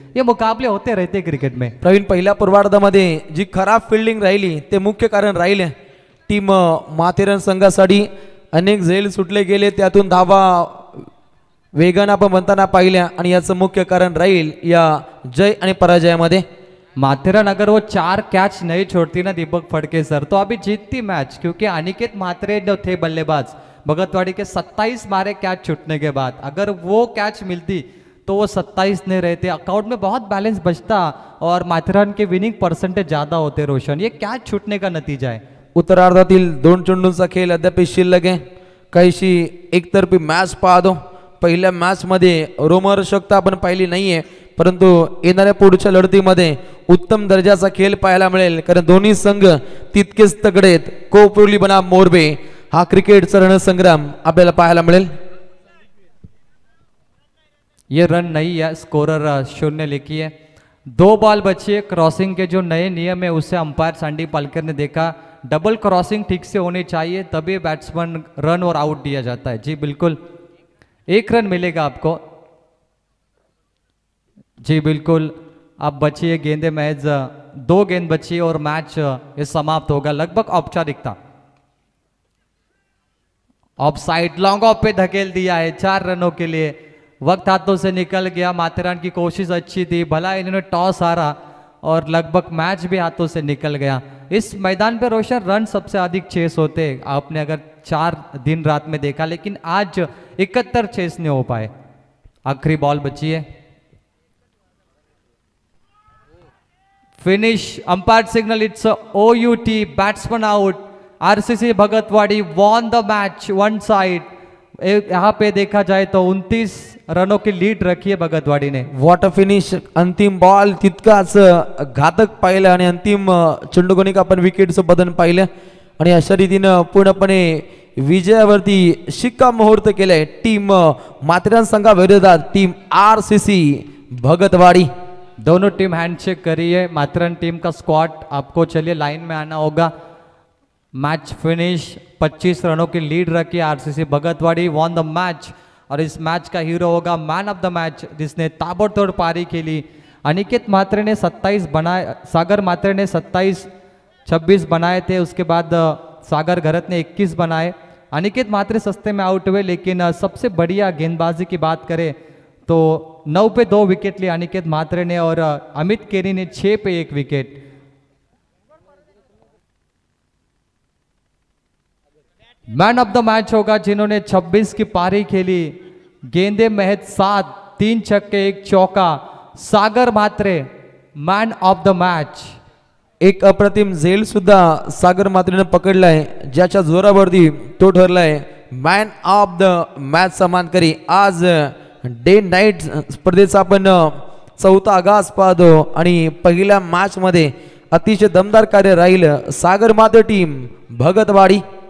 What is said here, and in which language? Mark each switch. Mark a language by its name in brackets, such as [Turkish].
[Hindi] ये मुकाबले होते रहते क्रिकेट में। [Marathi] प्रवीण पहिल्या पूर्वार्धामध्ये जी खराब फिल्डिंग राहिली ते मुख्य कारण राहिले टीम माथेरान संघासाठी। अनेक झेल सुटले गेले त्यातून धावा वेगानं आपण बनताना पाहिल्या आणि याचं मुख्य कारण राहील या जय आणि पराजयामध्ये। [Hindi] माथेरान अगर वो 4 कॅच नाही छोडती ना दीपक फडके सर तो अभी जीतती मॅच, क्योंकि अनिकेत मात्रे जो थे बल्लेबाज भगतवाडी के 27 मारे कॅच छूटने के बाद, अगर वो कॅच मिलती तो वो 27 नहीं रहते, अकाउंट में बहुत बैलेंस बचता और माथेरान के विनिंग परसेंटेज ज्यादा होते। रोशन, ये कॅच छूटने का नतीजा है। [Marathi] उत्तरार्धातील दोन चेंडूंचा खेळ अद्याप शिल्लक आहे, काहीशी एकतर्फी मॅच पाहतो। पहिल्या मॅचमध्ये रोमहर्षकता आपण पाहिली नाहीये परंतु येणाऱ्या पुढच्या लढतीमध्ये उत्तम दर्जाचा खेळ पाहायला मिळेल कारण दोन्ही संघ तितकेच तगडे आहेत। कोपरुली बनाम मोरबे हा क्रिकेटचा रणसंग्राम आपल्याला पाहायला मिळेल। [Hindi] ये रन नाही आहे, स्कोरर 0 लिखी आहे। 2 बॉल बची आहे, क्रॉसिंग के जो नए नियम है उसे अंपायर सांडी पालकर ने देखा, डबल क्रॉसिंग ठीक से होनी चाहिए तभी बैट्समैन रन और आउट दिया जाता है। जी बिल्कुल, एक रन मिलेगा आपको। जी बिल्कुल, अब बची है गेंदे, मैच 2 गेंद बची और मैच ये समाप्त होगा लगभग औपचारिकता। ऑफ साइड लॉन्ग ऑफ पे धकेल दिया है 4 रनों के लिए, वक्त हाथों से निकल गया। माथेरान की कोशिश अच्छी थी, भला इन्होंने टॉस हारा और लगभग मैच भी हाथों से निकल गया। इस मैदान पे रोशन रन सबसे अधिक चेस होते हैं, आपने अगर 4 दिन रात में देखा, लेकिन आज 71 चेस नहीं हो पाए। आखिरी बॉल बची है, finish, umpire signal, [English] it's OUT, [Hindi] batsman out, RCC भगतवाड़ी won the match one side. यहां पे देखा जाए तो 29 रनों की लीड रखी है भगतवाड़ी ने। [English] what a finish, [Marathi] अंतिम बॉल तितकाच घातक पाहिलं आणि अंतिम चंडुगणिक आपण विकेटचं बदन पाहिलं आणि अशा रीतीनं पूर्णपणे विजयावरती शिक्का मुहूर्त केलाय टीम माथेरान संघाविरोधात टीम RCC भगतवाड़ी। [Hindi] दोनों टीम हैंडशेक करी है, माथेरान टीम का स्क्वाड आपको चलिए लाइन में आना होगा। मैच फिनिश, 25 रनों की लीड रखी RCC भगतवाड़ी वॉन द मैच और इस मैच का हीरो होगा मैन ऑफ द मैच जिसने ताबड़तोड़ पारी खेली। अनिकेत मात्रे ने 27 बनाए, सागर मात्रे ने 27 26 बनाए थे, उसके बाद सागर घरत ने 21 बनाए। अनिकेत मात्रे सस्ते में आउट हुए, लेकिन सबसे बढ़िया गेंदबाजी की बात करें तो 9 पे 2 विकेट लिए अनिकेत मात्रे ने और अमित केरी ने 6 पे 1 wicket. Man of the match होगा जिन्होंने 26 की पारी खेली, गेंदे महज 7, 3 छक्के 1 चौका, सागर मात्रे मैन ऑफ द मैच। [Marathi] एक अप्रतिम झेल सुद्धा सागर मात्रे ने पकडलाय ज्याच्या जोरावरती तो ठरलाय मैन ऑफ द मैच सामान करी। आज डे नाईट स्पर्धेचा आपण चौथा आगाज पाहतो आणि पहिल्या मॅच मध्ये अतिशय दमदार कार्य राहील सागर माधव टीम भगतवाडी.